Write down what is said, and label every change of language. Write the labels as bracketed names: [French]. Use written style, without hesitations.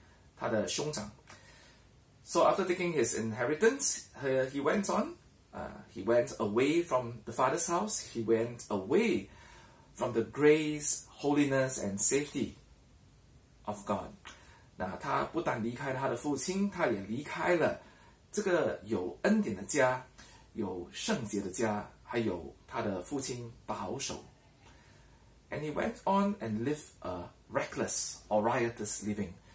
[Chinese] 那身为幼子呢，他所分到的是父亲的三分之一的财产。那另外的三分之二呢，应该是留给他的兄长。 [English] So after taking his inheritance, he went away from the father's house. He went away from the grace, holiness, and safety of God. [Chinese] 那他不但离开了他的父亲，他也离开了这个有恩典的家，有圣洁的家，还有他的父亲保守。 [English] And he went on and lived a reckless or riotous living.